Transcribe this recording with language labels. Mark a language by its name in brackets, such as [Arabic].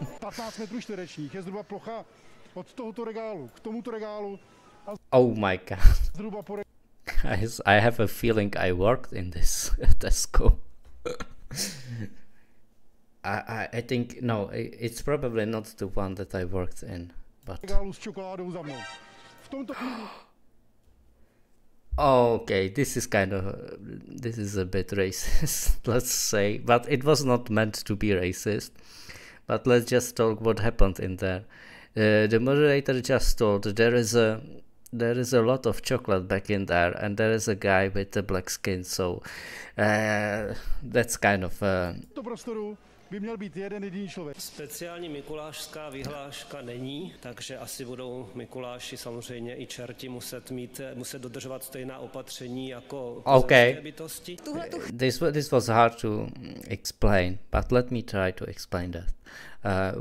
[Czech] 15 metrů čtverečních je zhruba plocha od tohoto regálu k tomuto regálu. [English] Oh my god. Guys, I have a feeling I worked in this Tesco. I think no, it's probably not the one that I worked in, but. [Czech] Regálu s čokoládou za mnou. V tomto. [English] Okay, this is a bit racist, let's say, but it was not meant to be racist. But let's just talk what happened in there. The moderator just told there is a lot of chocolate back in there, and there is a guy with the black skin, so that's kind of [Czech] by měl být jeden jediný člověk. Speciální mikulášská vyhláška není, takže asi budou mikuláši samozřejmě i čerti muset dodržovat stejná opatření jako okay. Bytosti. [English] This was hard to explain, but let me try to explain that.